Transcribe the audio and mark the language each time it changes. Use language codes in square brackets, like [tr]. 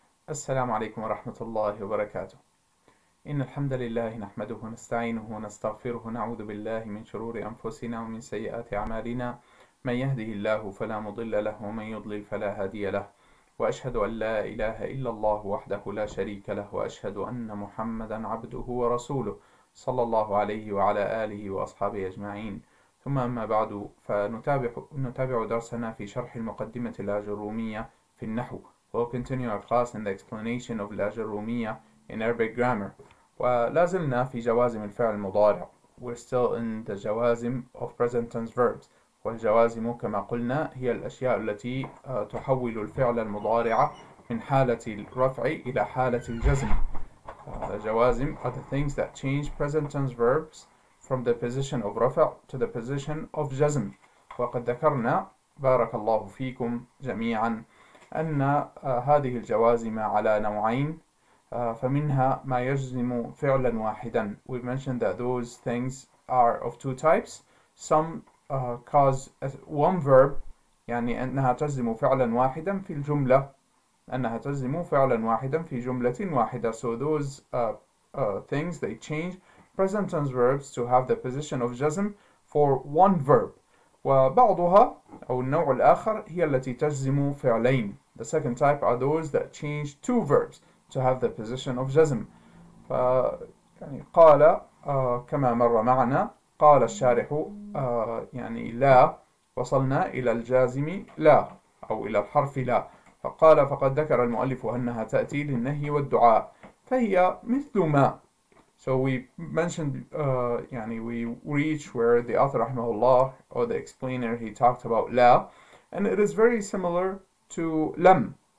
[ar] السلام عليكم ورحمة الله وبركاته. إن الحمد لله نحمده ونستعينه ونستغفره، نعوذ بالله من شرور أنفسنا ومن سيئات أعمالنا، من يهده الله فلا مضل له ومن يضلل فلا هادي له، وأشهد أن لا إله إلا الله وحده لا شريك له، وأشهد أن محمدا عبده ورسوله صلى الله عليه وعلى آله وأصحابه أجمعين. ثم أما بعد، فنتابع درسنا في شرح المقدمة الأجرومية في النحو. [en] We'll continue our class in the explanation of الأجرومية in Arabic grammar. [ar] ولازلنا في جوازم الفعل المضارع. [en] We're still in the جوازم of present tense verbs. [ar] والجوازم كما قلنا هي الأشياء التي تحول الفعل المضارع من حالة الرفع إلى حالة الجزم. [en] The جوازم are the things that change present tense verbs from the position of رفع to the position of جزم. [ar] وقد ذكرنا بارك الله فيكم جميعا أن هذه الجوازم على نوعين، فمنها ما يجزم فعلا واحدا. [en] We mentioned that those things are of two types. Some cause one verb، [ar] يعني أنها تجزم فعلا واحدا في الجملة، أنها تجزم فعلا واحدا في جملة واحدة. [en] So those things they change present tense verbs to have the position of جزم for one verb. [ar] وبعضها أو النوع الآخر هي التي تجزم فعلين. [en] The second type are those that change two verbs to have the position of جزم. [ar] يعني قال كما مر معنا، قال الشارح يعني لا، وصلنا إلى الجازم لا أو إلى الحرف لا. فقال فقد ذكر المؤلف أنها تأتي للنهي والدعاء، فهي مثل ما. [en] So we mentioned, يعني we reach where the author [ar] رحمه الله [en] or the explainer, he talked about لا, and it is very similar to لم.